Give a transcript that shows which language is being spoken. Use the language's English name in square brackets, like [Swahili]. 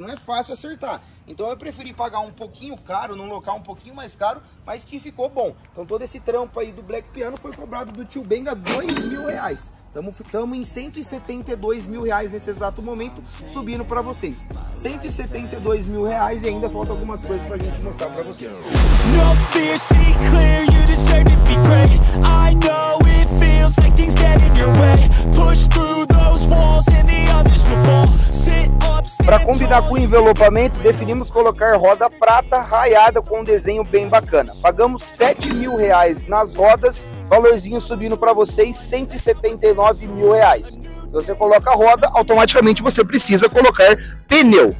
[Portuguese] Não é fácil acertar. Então eu preferi pagar um pouquinho caro, num local um pouquinho mais caro, mas que ficou bom. Então todo esse trampo aí do Black Piano foi cobrado do Tio Benga R$2.000. Estamos em R$172.000 nesse exato momento, subindo para vocês. R$172.000 e ainda falta algumas coisas pra gente mostrar para vocês. [English] No fear, see clear, you deserve to be great. I know it feels like things get in your way. Push through those walls and the others will fall. [Portuguese] Para combinar com o envelopamento, decidimos colocar roda prata raiada com um desenho bem bacana. Pagamos R$7.000 nas rodas, valorzinho subindo para vocês, R$179.000. Se você coloca roda, automaticamente você precisa colocar pneu.